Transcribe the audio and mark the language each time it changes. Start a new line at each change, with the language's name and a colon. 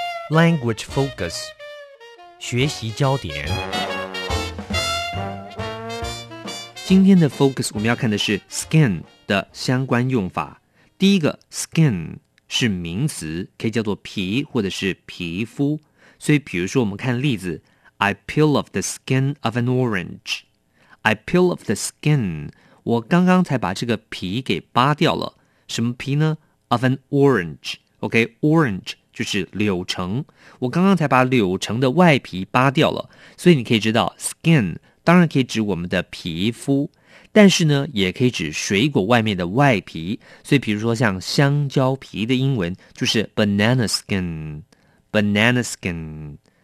English: Language Focus.
Chinese: 学习焦点。今天的 focus 我们要看的是 skin 的相关用法。第一个 skin 是名词，可以叫做皮或者是皮肤。所以比如说我们看例子
English: I peel off the skin of an orange. I peel off the skin.
Chinese: 我刚刚才把这个皮给扒掉了。什么皮呢？
English: Of an orange. OK, orange.
Chinese: 就是柳橙，我刚刚才把柳橙的外皮扒掉了，所以你可以知道 skin 当然可以指我们的皮肤，但是呢也可以指水果外面的外皮，所以比如说像香蕉皮的英文就是
English: banana skin, banana skin。